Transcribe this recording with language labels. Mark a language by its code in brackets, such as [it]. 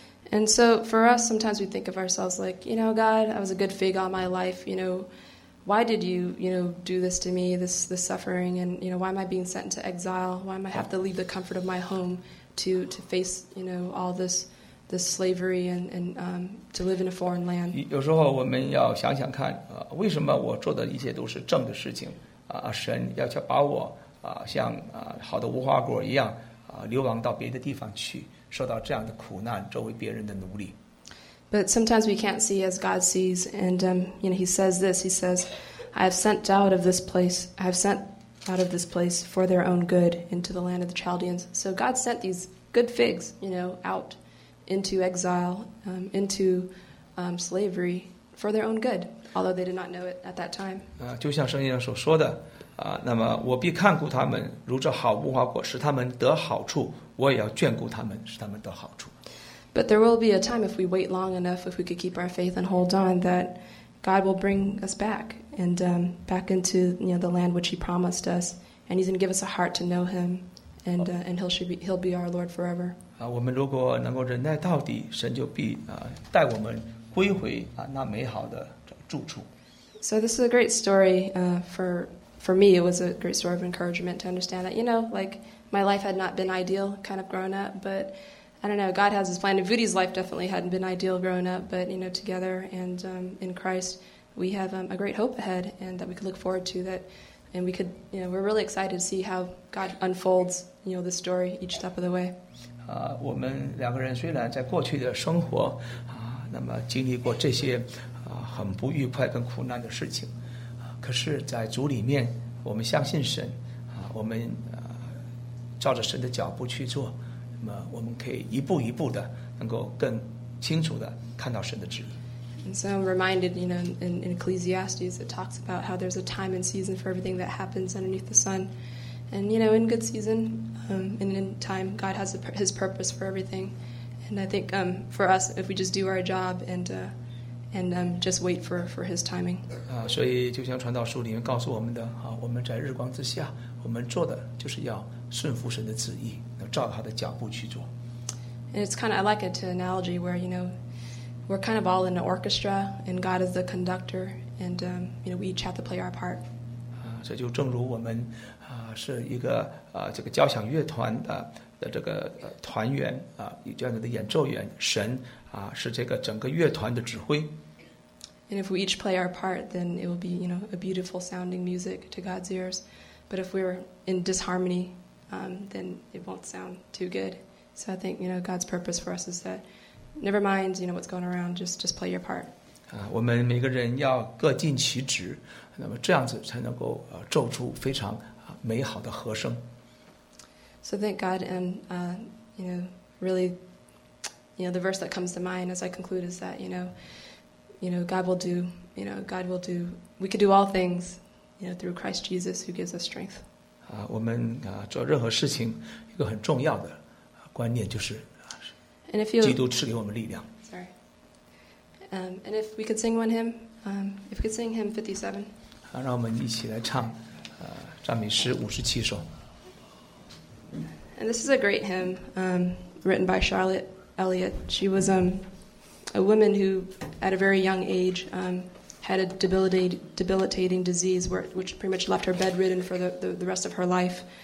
[en] And so for us, sometimes we think of ourselves like, you know, God, I was a good fig all my life, you know, why did you, you know, do this to me, this suffering, and, you know, why am I being sent into exile, why am I have to leave the comfort of my home to face, you know, all this slavery and to live in a foreign land. [zh] 有时候我们要想想看为什么我做的一切都是正的事情神要把我像好的无花果一样流亡到别的地方去，受到这样的苦难，作为别人的奴隶。 [en] But sometimes we can't see as God sees, and you know, He says this. He says, "I have sent out of this place. I have sent out of this place for their own good into the land of the Chaldeans." So God sent these good figs, you know, out into exile, into slavery for their own good, although they did not know it at that time. [zh] 就像圣经上所说的。那么我必看顾他们如这好无花果，使他们得好处，我也要眷顾他们，使他们得好处。 [en] But there will be a time if we wait long enough, if we could keep our faith and hold on, that God will bring us back and back into, you know, the land which He promised us, and He's going to give us a heart to know Him, and He'll be our Lord forever. [zh] 我们如果能够忍耐到底，神就必带我们归回那美好的住处。 [en] So this is a great story for me, it was a great story of encouragement to understand that, you know, like, my life had not been ideal kind of growing up, but I don't know, God has His plan. And Vudi's life definitely hadn't been ideal growing up, but, you know, together and in Christ, we have a great hope ahead and that we could look forward to that. And we could, you know, we're really excited to see how God unfolds, you know, the story each step of the way. [zh] 我们两个人虽然在过去的生活那么经历过这些很不愉快跟苦难的事情，可是在主里面我们相信神我们照着神的脚步去做，那么我们可以一步一步的能够更清楚的看到神的旨意。 [en] And so I'm reminded, you know, in Ecclesiastes it talks about how there's a time and season for everything that happens underneath the sun, and you know, in good season and in time, God has His purpose for everything. And I think for us, if we just do our job and just wait for His timing. [zh] 所以就像传道书里面告诉我们的我们在日光之下，我们做的就是要顺服神的旨意，要照他的脚步去做。 [en] And it's kind of, I like it to analogy where, you know, we're kind of all in an orchestra and God is the conductor and, you know, we each have to play our part. [zh] 所以就正如我们是一个这个交响乐团的这个团员这样的演奏员，神是这个整个乐团的指挥。 [en] And if we each play our part, then it will be, you know, a beautiful sounding music to God's ears. But if we're in disharmony, then it won't sound too good. So I think, you know, God's purpose for us is that never mind, you know, what's going around, just play your part. [zh] 我们每个人要各尽其职，那么这样子才能够奏出非常美好的和声。 [en] So thank God, and you know, really, you know, the verse that comes to mind as I conclude is that you know, God will do. You know, God will do. We could do all things, you know, through Christ Jesus who gives us strength. [zh] 我们做任何事情一个很重要的观念就是。 [en] And if you'll, [zh] 基督赐给我们力量, [en] sorry. And if we could sing one hymn, if we could sing hymn 57. [zh] 让我们一起来唱, 赞美诗 57首。 [en] And this is a great hymn written by Charlotte Elliott. She was a woman who, at a very young age, had a debilitating disease which pretty much left her bedridden for the rest of her life.